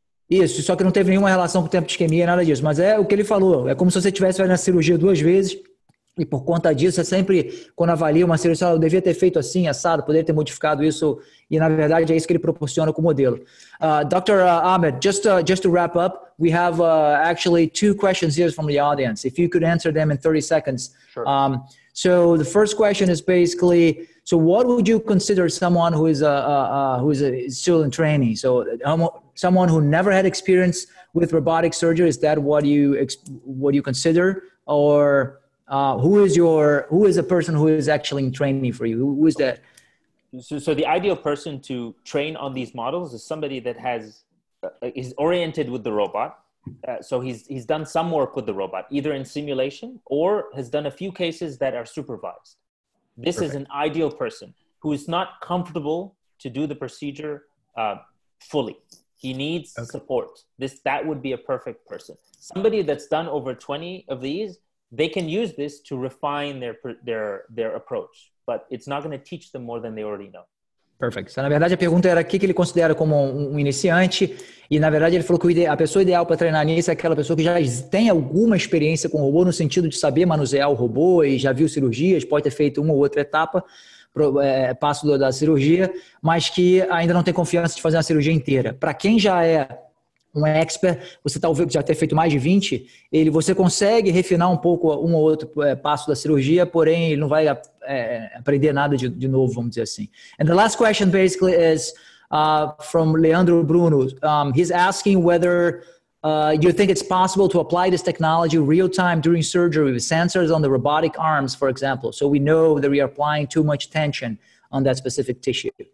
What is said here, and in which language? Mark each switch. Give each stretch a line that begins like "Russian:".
Portuguese: Isso, só que não teve nenhuma relação com o tempo de isquemia, nada disso. Mas é o que ele falou, é como se você tivesse feito a cirurgia duas vezes e por conta disso, é sempre, quando avalia uma cirurgia, eu devia ter feito assim, assado, poderia ter modificado isso e, na verdade, é isso que ele proporciona com o modelo.
English: Dr. Ahmed, just to wrap up, we have actually two questions here from the audience, if you could answer them in 30 seconds. Sure. So the first question is basically... So what would you consider someone who is still in training? So someone who never had experience with robotic surgery, is that what you consider? Or who is a person who is actually in training for you? Who is that? So the ideal person to train on these models is somebody that is oriented with the robot. So he's done some work with the robot, either in simulation or has done a few cases that are supervised. This Perfect. Is an ideal person who is not comfortable to do the procedure fully. He needs okay. support. That would be a perfect person. Somebody that's done over 20 of these, they can use this to refine their approach, but it's not going to teach them more than they already know. Perfect.
Portuguese: Na verdade, a pergunta era o que ele considera como um iniciante. E, na verdade, ele falou que a pessoa ideal para treinar nisso é aquela pessoa que já tem alguma experiência com robô, no sentido de saber manusear o robô e já viu cirurgias, pode ter feito uma ou outra etapa, passo da cirurgia, mas que ainda não tem confiança de fazer uma cirurgia inteira. Para quem já é um expert, você talvez já tenha feito mais de 20, você consegue refinar um pouco um ou outro passo da cirurgia, porém ele não vai aprender nada de novo, vamos dizer assim.
English: And the last question basically is from Leandro Bruno. He's asking whether you think it's possible to apply this technology real time during surgery with sensors on the robotic arms, for example, so we know that we are applying too much tension on that specific tissue.